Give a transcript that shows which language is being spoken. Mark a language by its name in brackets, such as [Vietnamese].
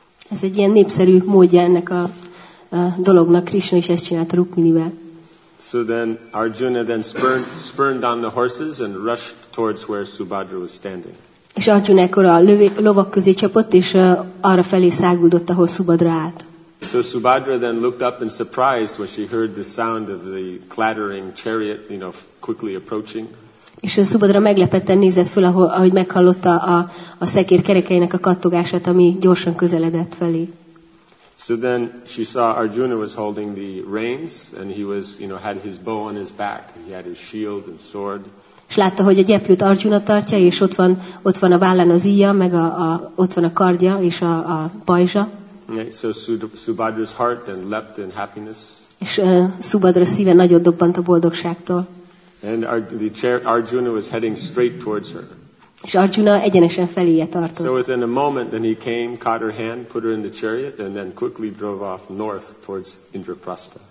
[Hungarian] Ez egy ilyen népszerű módja ennek a dolognak. Krishna is ezt csinálta Rukminivel. [English] So then Arjuna then spurned on the horses and rushed towards where Subhadra was standing. [Hungarian] És Arjuna ekkor a lovak közé csapott, és arra felé száguldott, ahol Subhadra állt. [English] So Subhadra then looked up in surprise when she heard the sound of the clattering chariot, you know, quickly approaching. [Hungarian] És Subhadra meglepetten nézett föl, ahogy meghallotta a szekér kerekeinek a kattogását, ami gyorsan közeledett felé. [English] So then she saw Arjuna was holding the reins, and he was, you know, had his bow on his back, he had his shield and sword. [Hungarian] És látta, hogy a gyeplőt Arjuna tartja, és ott van a vállán az íja, meg ott van a kardja és a pajzsa. [English] Yeah, so Subhadra's heart then leapt in happiness. [Hungarian] És Subhadra szíve nagyon dobbant a boldogságtól. [English] And Arjuna was heading straight towards her. [Hungarian] És Arjuna egyenesen feléje tartott. [English] So within a moment then he came, caught her hand, put her in the chariot, and then quickly drove off north towards Indraprastha.